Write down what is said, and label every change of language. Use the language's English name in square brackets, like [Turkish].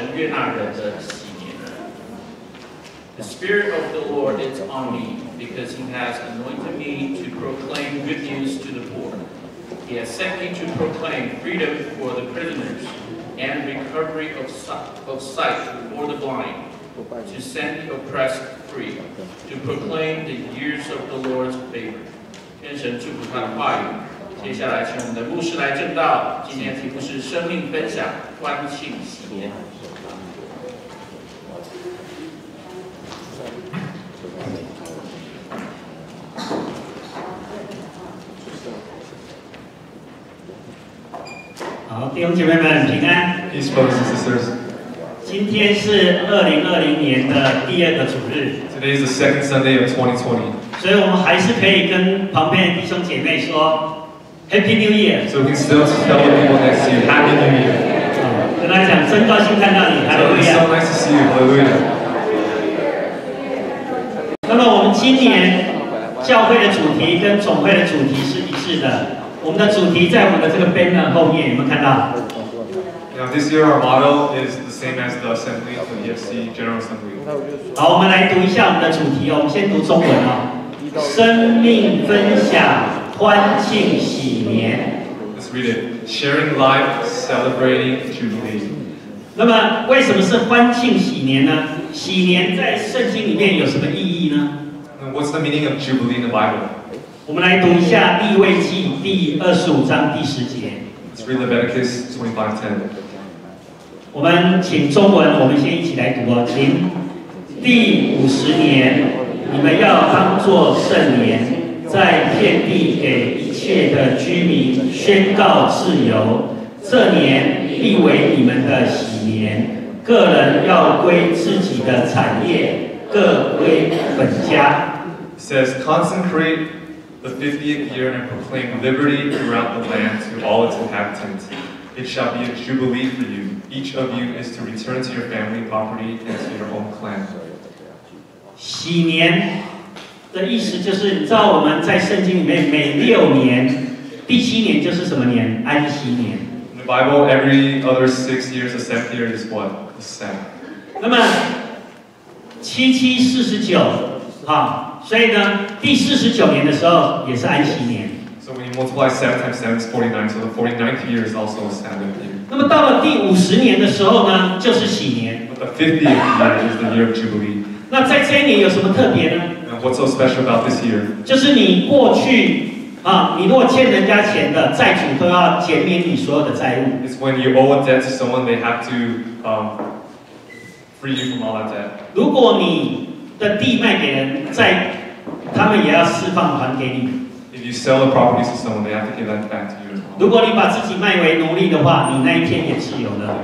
[English] The Spirit of the Lord is on me, because He has anointed me to proclaim good news to the poor. He has sent me to proclaim freedom for the prisoners and recovery of sight for the blind, to set the oppressed free, to proclaim the years of the Lord's favor. [Chinese] 天神祝福他的话语。接下来请我们的牧师来证道，今天题目是生命分享，欢庆喜宴。好，弟兄姐妹们平安。 [English] Peace, brothers and sisters. [Chinese] 今天是2020年的第二个主日。 [English] Today is the second Sunday of 2020. [Chinese] 所以我们还是可以跟旁边的弟兄姐妹说 [English] Happy New Year! So we can still tell the people next to you, Happy New Year! [Chinese] 跟他讲，真高兴看到你，哈利路亚！ [English] So nice to see you, Hallelujah! [Chinese] 那么我们今年教会的主题跟总会的主题是一致的。我们的主题在我们的这个 banner 后面，有没有看到？ [English] Now this year our motto is the same as the assembly of the EFC General Assembly. [Chinese] 好，我们来读一下我们的主题哦。我们先读中文哦，生命分享。欢庆喜年。 [English] Let's read it. Sharing life, celebrating jubilee. [Chinese] 那么为什么是欢庆喜年呢？喜年在圣经里面有什么意义呢？ [English] What's the meaning of jubilee in the Bible? [Chinese] 我们来读一下立位记第二十五章第十节。 [English] Let's read Leviticus 25:10. [Chinese] 我们请中文，我们先一起来读哦。请第五十年，你们要当作圣年。在遍地给一切的居民宣告自由，这年立为你们的喜年，个人要归自己的产业，各归本家。 [English] It says, consecrate the 50th year and proclaim liberty throughout the land to all its inhabitants. It shall be a jubilee for you. Each of you is to return to your family property and to your own clan. [Chinese] 喜年的意思就是，你知道我们在圣经里面每六年，第七年就是什么年？安息年。 [English] In the Bible, every other 6 years, the seventh year is what? The Sabbath. [Chinese] 那么七七四十九，好，所以呢，第四十九年的时候也是安息年。 [English] So when you multiply 7 times 7 is 49, so the 49th year is also a Sabbath year. [Chinese] 那么到了第五十年的时候呢，就是喜年。 [English] But the 50th year is the year of Jubilee. [Chinese] 那在这一年有什么特别呢？ [English] What's so special about this year? [Chinese] 就是你过去啊，你如果欠人家钱的，债主都要减免你所有的债务。 [English] It's when you owe a debt to someone, they have to free you from all that debt. [Chinese] 如果你的地卖给人，债，他们也要释放还给你。 [English] If you sell a property to someone, they have to give that back to you. [Chinese] 如果你把自己卖为奴隶的话，你那一天也自由了。